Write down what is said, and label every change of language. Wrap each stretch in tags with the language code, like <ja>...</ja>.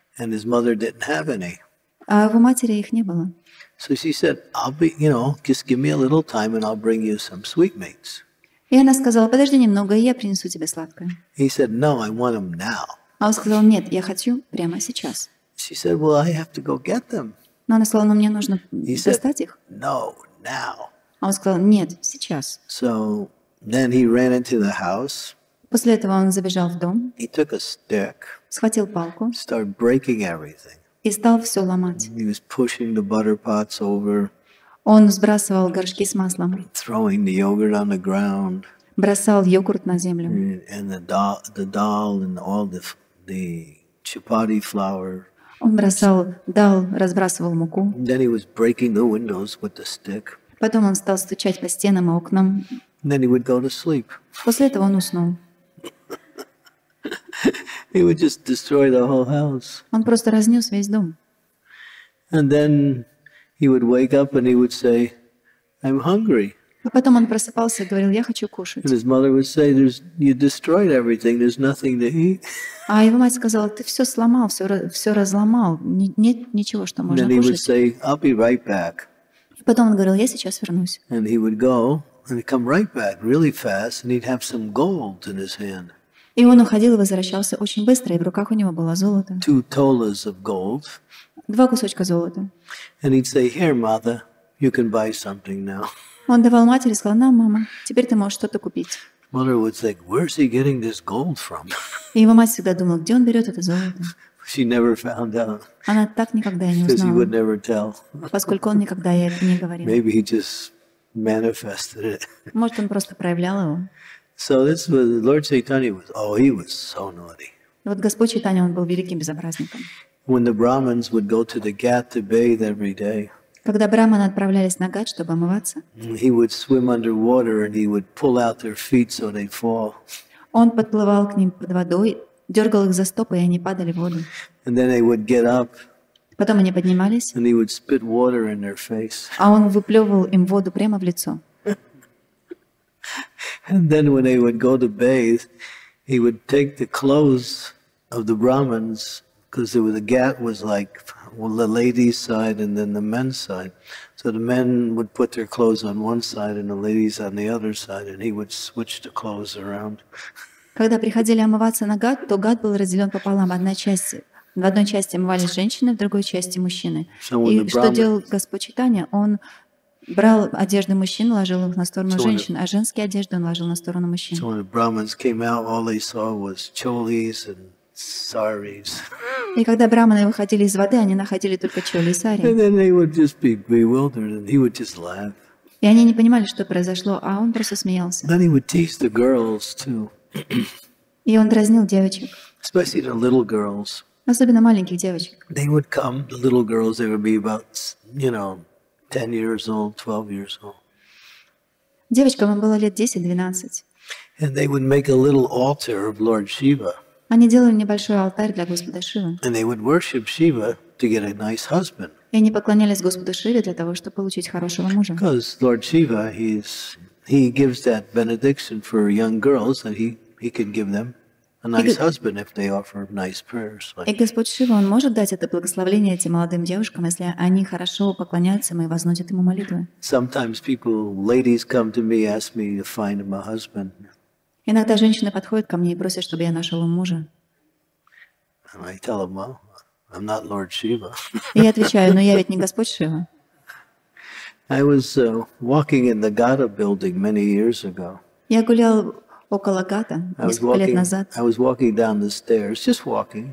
<en>And his mother didn't have any.</en> <ru>А у матери их не было.</ru> <en>So she said, "I'll be, you know, just give me a little time, and I'll bring you some sweetmeats."</en> <ru>И она сказала: "Подожди немного, и я принесу тебе сладкое."</ru> <en>He said, "No, I want them now."</en> <ru>А он сказал: "Нет, я хочу прямо сейчас."</ru> <en>She said, "Well, I have to go get them."</en> <ru>Но она сказала: "Но мне нужно достать их."</ru> <en>"No, now."</en> <ru>А он сказал: "Нет, сейчас."</ru> <en>So then he ran into the house.</en> <ru>После этого он забежал в дом.</ru> <en>He took a stick.</en> <ru>Схватил палку.</ru> <en>Started breaking everything.</en> <ru>И стал все ломать.</ru> <en>He was pushing the butter pots over.</en> <ru>Он сбрасывал горшки с маслом.</ru> <en>Throwing the yogurt on the ground.</en> <ru>Бросал йогурт на землю.</ru> <en>And the dal and all the chapati flour.</en> <ru>Он бросал дал, разбрасывал муку.</ru> <en>Then he was breaking the windows with the stick.</en> <ru>Потом он стал стучать по стенам и окнам.</ru> <en>Then he would go to sleep.</en> <ru>После этого он уснул.</ru> <en>He would just destroy the whole house.</en> <ru>Он просто разнес весь дом.</ru> <en>And then he would wake up and he would say, "I'm hungry."</en> <ru>А потом он просыпался и говорил: "Я хочу кушать."</ru> <en>And his mother would say, "There's, you destroyed everything. There's nothing to eat."</en> <ru>А его мать сказала: "Ты все сломал, все разломал. Нет ничего, что можно кушать."</ru> <en>Then he would say, "I'll be right back."</en> <ru>Потом он говорил: "Я сейчас вернусь."</ru> <en>And he would go. And he'd come right back really fast, and he'd have some gold in his hand.</en> <ru>И он уходил и возвращался очень быстро, и в руках у него было золото.</ru> <en>2 tolas of gold.</en> <ru>2 кусочка золота.</ru> <en>And he'd say, "Here, mother, you can buy something now."</en> <ru>Он давал матери, сказал: "На, мама, теперь ты можешь что-то купить."</ru> <en>Mother would say, "Where's he getting this gold from?"</en> <ru>И его мать всегда думала, где он берет это золото.</ru> <en>She never found out.</en> <ru>Она так никогда не узнала.</ru> <en>He would never tell.</en> <ru>Поскольку он никогда ей это не говорил.</ru> <en>Maybe he just manifested it.</en> <ru>Может, он просто проявлял его.</ru> <en>So this was Lord Chaitanya was. Oh, he was so naughty.</en> <ru>Вот Господь Чайтанья, он был великим безобразником.</ru> <en>When the Brahmins would go to the Ghat to bathe every day.</en> <ru>Когда брахманы отправлялись на гат, чтобы омываться,</ru> <en>he would swim underwater and he would pull out their feet so they fall.</en> <ru>Он подплывал к ним под водой, дергал их за стопы, и они падали в воду.</ru> <en>And then they would get up.</en> <ru>Потом они поднимались.</ru> <en>And he would spit water in their face.</en> <ru>А он выплевывал им воду прямо в лицо.</ru> <en>And then when they would go to bathe, he would take the clothes of the Brahmins, because there was a ghat was like, well, the ladies' side and then the men's side. So the men would put their clothes on one side and the ladies on the other side, and he would switch the clothes around.</en> <ru>Когда приходили омываться на гат, то гат был разделен пополам. Одна часть, в одной части омывались женщины, в другой части мужчины. И что делал Господь Чайтанья? Он брал одежды мужчин, ложил их на сторону женщин, а женские одежды он ложил на сторону мужчин.</ru> <en>So when the Brahmins came out, all they saw was cholis and saris.</en> <ru>И когда брахманы выходили из воды, они находили только чоли и сари.</ru> <en>And then they would just be bewildered, and he would just laugh.</en> <ru>И они не понимали, что произошло, а он просто смеялся.</ru> <en>Then he would tease the girls too.</en> <ru>И он дразнил девочек.</ru> <en>Especially the little girls.</en> <ru>Особенно маленьких девочек.</ru> <en>They would come, the little girls, they would be about, you know, 10 years old, 12 years old.</en> <ru>Девочкам было лет 10-12.</ru> <en>And they would make a little altar of Lord Shiva.</en> <ru>Они делали небольшой алтарь для Господа Шивы.</ru> <en>And they would worship Shiva to get a nice husband.</en> <ru>И они поклонялись Господу Шиве для того, чтобы получить хорошего мужа.</ru> <en>Because Lord Shiva, he gives that benediction for young girls that he can give them a nice husband if they offer nice prayers.</en> <ru>И Господь Шива, он может дать это благословение этим молодым девушкам, если они хорошо поклоняются ему и возносят ему молитвы.</ru> <en>Sometimes people, ladies come to me, ask me to find them a husband.</en> <ru>Иногда женщины подходят ко мне и просят, чтобы я нашел им мужа.</ru> <en>And I tell them, well, I'm not Lord Shiva.</en> <ru>И я отвечаю, но я ведь не Господь Шива.</ru> <en>I was walking in the Gata building many years ago.</en> <ru>Я гулял около Гата несколько лет назад.</ru> <en>I was walking down the stairs, just walking.</en>